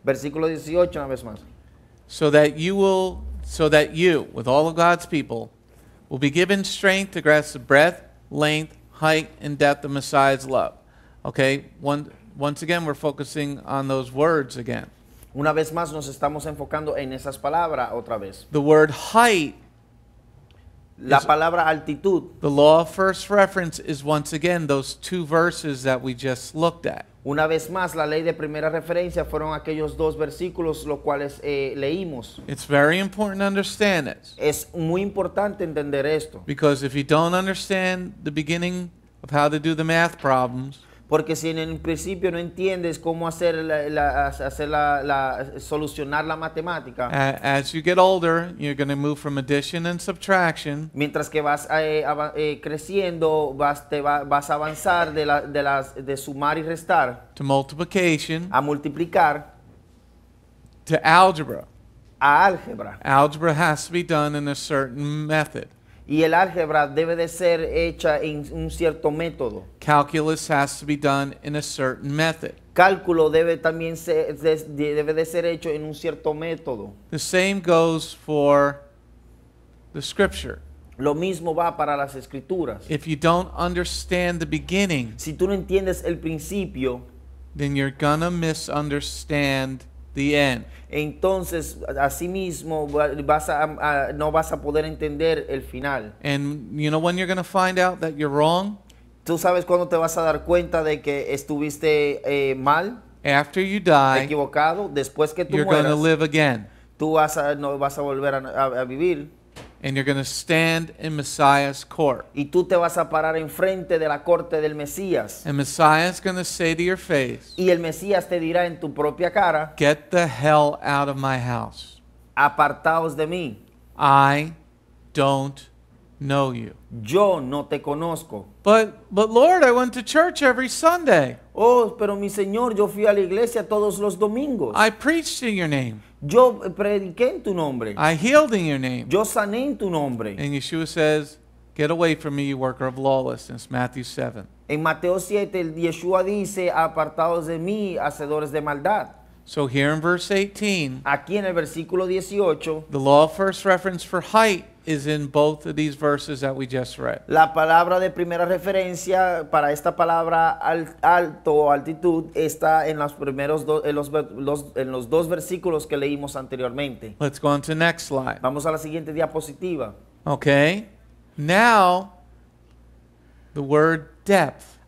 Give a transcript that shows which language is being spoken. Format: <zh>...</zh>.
<es>Versículo 18 una vez más.</es> <en>So that you, with all of God's people, will be given strength to grasp the breadth, length, height, and depth of Messiah's love. Okay, once again, we're focusing on those words again.</en> <es>Una vez más, nos estamos enfocando en esas palabras otra vez.</es> <en>The word height.</en> <es>La palabra altitud.</es> <en>The law of first reference is once again those two verses that we just looked at.</en> <es>Una vez más, la ley de primera referencia fueron aquellos dos versículos los cuales leímos.</es> <en>It's very important to understand it.</en> <es>Es muy importante entender esto.</es> <en>Because if you don't understand the beginning of how to do the math problems,</en> <es>porque si en el principio no entiendes cómo hacer la solucionar la matemática,</es> <en>as you get older, you're going to move from addition and subtraction,</en> <es>mientras que vas creciendo, vas a avanzar de sumar y restar,</es> <en>to multiplication,</en> <es>a multiplicar,</es> <en>to algebra,</en> <es>a álgebra.</es> <en>Algebra has to be done in a certain method.</en> <es>Y el álgebra debe de ser hecha en un cierto método.</es> <en>Calculus has to be done in a certain method.</en> <es>Cálculo debe también ser hecho en un cierto método.</es> <en>The same goes for the scripture.</en> <es>Lo mismo va para las escrituras.</es> <en>If you don't understand the beginning,</en> <es>si tú no entiendes el principio,</es> <en>then you're gonna misunderstand the end.</en> <es>Entonces, así mismo, vas a, no vas a poder entender el final.</es> <en>And you know when you're going to find out that you're wrong?</en> <es>¿Tú sabes cuándo te vas a dar cuenta de que estuviste mal?</es> <en>After you die,</en> <es>equivocado, después que tú</es> <en>you're</en> <es>mueras,</es> <en>going to live again.</en> <es>Tú vas a, no vas a volver a vivir.</es> <en>And you're going to stand in Messiah's court.</en> <es>Y tú te vas a parar enfrente de la corte del Mesías.</es> <en>And Messiah's going to say to your face,</en> <es>y el Mesías te dirá en tu propia cara,</es> <en>get the hell out of my house.</en> <es>Apartaos de mí.</es> <en>I don't know you.</en> <es>Yo no te conozco.</es> <en>But Lord, I went to church every Sunday.</en> <es>Oh, pero mi Señor, yo fui a la iglesia todos los domingos.</es> <en>I preached in your name.</en> <es>Yo prediqué en tu nombre.</es> <en>I healed in your name.</en> <es>Yo sané en tu nombre.</es> <en>And Yeshua says, get away from me, you worker of lawlessness. Matthew 7.</en> <es>En Mateo 7, Yeshua dice, apartados de mí, hacedores de maldad.</es> <en>So here in verse 18,</en> <es>aquí en el versículo 18,</es> <en>the law of first reference for height is in both of these verses that we just read.</en> <es>La palabra de primera referencia para esta palabra alto o altitud está en los primeros dos versículos que leímos anteriormente.</es> <en>Let's go on to the next slide.</en> <es>Vamos a la siguiente diapositiva.</es> <en>Okay. Now, the word depth.</en>